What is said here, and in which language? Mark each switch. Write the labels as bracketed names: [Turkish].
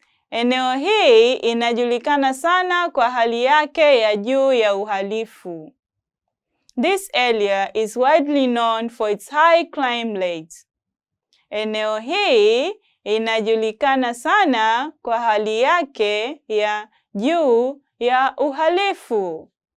[Swahili] Eneo hii inajulikana sana kwa hali yake ya juu ya uhalifu. [English] This area is widely known for its high crime rate. [Swahili] Eneo hii inajulikana sana kwa hali yake ya juu ya uhalifu.